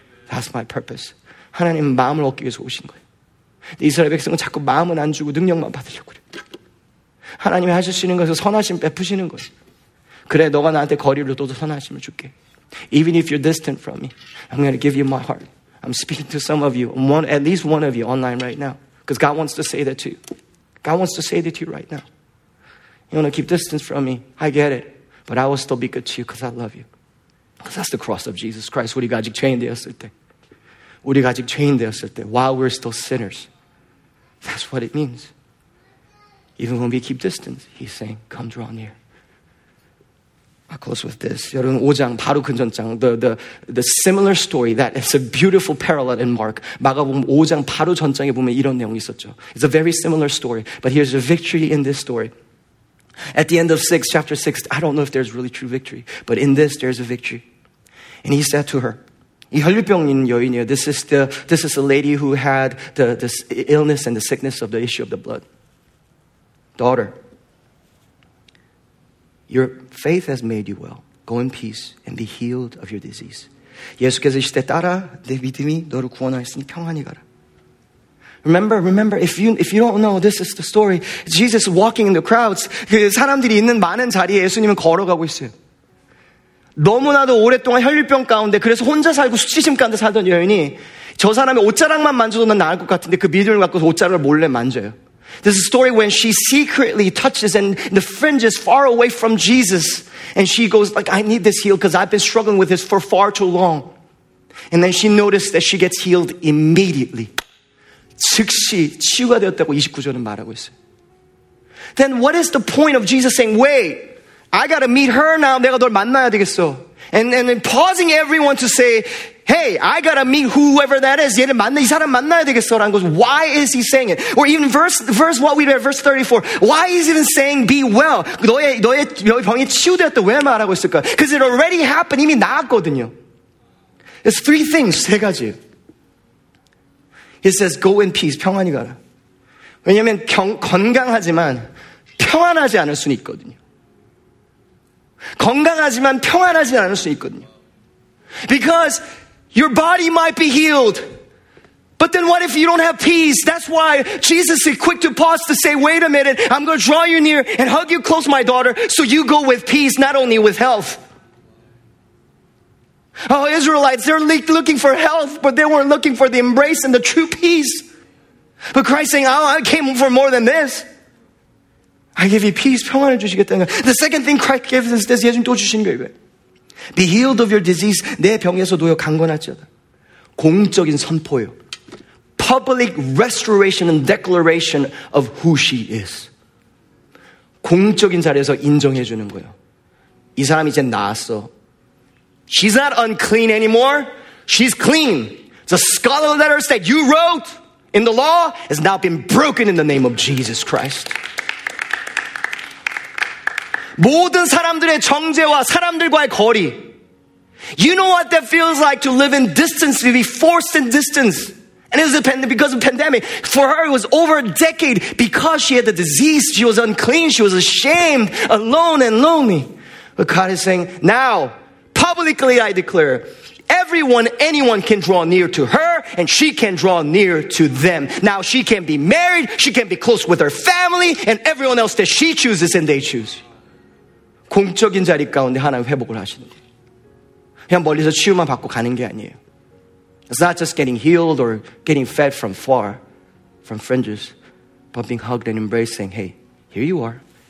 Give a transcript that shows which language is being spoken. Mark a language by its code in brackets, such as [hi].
[en] That's my purpose. [ko] 하나님은 마음을 얻기 위해서 오신 거예요. 이스라엘 백성은 자꾸 마음은 안 주고 능력만 받으려고 그래요. 하나님이 하시는 것을 선하심 베푸시는 거예요. 그래, 너가 나한테 거리를 둬도 선하심을 줄게. [en] Even if you're distant from me, I'm going to give you my heart. I'm speaking to some of you, at least one of you online right now. Because God wants to say that to you. God wants to say that to you right now. You want to keep distance from me. I get it. But I will still be good to you because I love you. Because that's the cross of Jesus Christ. [ko] 우리가 아직 죄인 되었을 때. 우리가 아직 죄인 되었을 때. [en] While we're still sinners. That's what it means. Even when we keep distance, he's saying, come draw near. I close with this. [ko] 여러분, 5장, 바로 근전장. [en] The similar story, that is a beautiful parallel in Mark. [ko] 마가복음 5장, 바로 전장에 보면 이런 내용이 있었죠. [en] It's a very similar story, but here's a victory in this story. At the end of 6, chapter 6, I don't know if there's really true victory, but in this, there's a victory. And he said to her, [ko] 이 혈류병인 여인이에요. [en] This is the lady who had this illness and the sickness of the issue of the blood. Daughter, your faith has made you well. Go in peace and be healed of your disease. [ko] 예수께서 이시되 따라 내 믿음이 너를 구원하였으니 평안히 가라. [en] Remember, if you don't know, this is the story. Jesus is walking in the crowds. [ko] 그 사람들이 있는 많은 자리에 예수님은 걸어가고 있어요. 너무나도 오랫동안 혈류병 가운데 그래서 혼자 살고 수치심 가운데 살던 여인이 저 사람의 옷자락만 만져도 난 나을 것 같은데 그 믿음을 갖고서 옷자락을 몰래 만져요. [en] This is a story when she secretly touches and the fringe is far away from Jesus. And she goes like, I need this healed because I've been struggling with this for far too long. And then she noticed that she gets healed immediately. [ko] 즉시 치유가 되었다고 29절은 말하고 있어요. [en] Then what is the point of Jesus saying, wait, I gotta meet her now. [ko] 내가 널 만나야 되겠어. [en] And pausing everyone to say, hey, I gotta meet whoever that is. [ko] 얘를 만나, 이 사람 만나야 되겠어. 라는 것. [en] Why is he saying it? Or even verse what we read, verse 34. Why is he even saying be well? [ko] 너의 병이 치유되었다. 왜 말하고 있을까? [en] Because it already happened. [ko] 이미 나았거든요. [en] It's three things. [ko] 세 가지. [en] He says, go in peace. [ko] 평안히 가라. 왜냐면 건강하지만 평안하지 않을 수는 있거든요. 건강하지만 평안하지 않을 수 있거든요. [en] Because your body might be healed. But then what if you don't have peace? That's why Jesus is quick to pause to say, wait a minute, I'm going to draw you near and hug you close, my daughter, so you go with peace, not only with health. Oh, Israelites, they're looking for health, but they weren't looking for the embrace and the true peace. But Christ saying, oh, I came for more than this. I give you peace, [ko] 평안을 주시겠다는 거예요. [en] The second thing Christ gives is this, [ko] 예수님 또 주신 거예요. [en] Be healed of your disease, [ko] 내 병에서 도여 강건할지어다. 공적인 선포요. [en] Public restoration and declaration of who she is. [ko] 공적인 자리에서 인정해 주는 거예요. 이 사람 이제 나았어. [en] She's not unclean anymore. She's clean. The scholar letter that you wrote in the law has now been broken in the name of Jesus Christ. 모든 사람들의 정죄와 사람들과의 거리. You know what that feels like to live in distance, to be forced in distance. And it was a because of pandemic. For her, it was over a decade because she had the disease. She was unclean. She was ashamed, alone and lonely. But God is saying, now, publicly I declare, everyone, anyone can draw near to her and she can draw near to them. Now she can be married. She can be close with her family and everyone else that she chooses and they choose. [ko] 공적인 자리 가운데 하나님 회복을 하시는 거예요. 그냥 멀리서 치유만 받고 가는 게 아니에요. [en] It's not just getting healed or getting fed from far, from fringes, but being hugged and embraced, saying, hey, here you are.